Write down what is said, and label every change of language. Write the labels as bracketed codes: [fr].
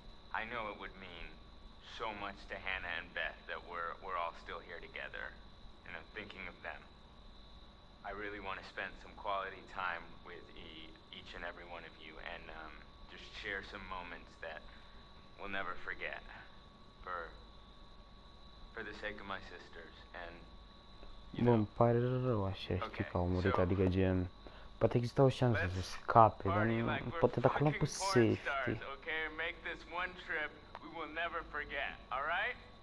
[en] I know it would mean so much to Hannah and Beth that we're all still here together, and I'm thinking of them. I really want to spend some quality time with each and every one of you, and just share some moments that we'll never forget for the sake of my sisters, and, you know. [ro] Bă, îmi pare rău așa, știi că au murit, adică gen, poate exista o șansă să scape, dar poate dacă l-am pus safety. [en] Make this one trip we will never forget, all right?